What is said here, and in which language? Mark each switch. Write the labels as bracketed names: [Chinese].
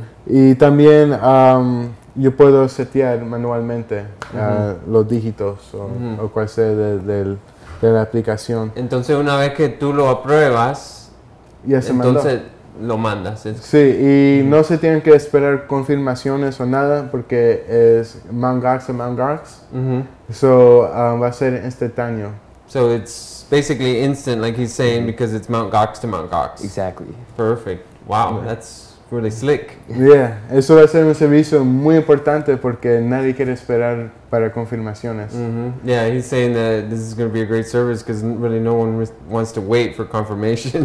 [Spanish] Y también yo puedo setear manualmente los dígitos o cual sea de la aplicación. Entonces, una vez que tú lo apruebas, lo mandas. Sí, y no se tienen que esperar confirmaciones o nada, porque es Mt. Gox a Mt. Gox. Va a ser instantáneo. [English] So it's basically instant, like he's saying, because it's Mt. Gox to Mt. Gox. Exactly. Perfect. Wow, that's really slick. [Spanish] Yeah, eso va a ser un servicio muy importante porque nadie quiere esperar para confirmaciones. [English] Yeah, he's saying that this is going to be a great service because really no one wants to wait for confirmations.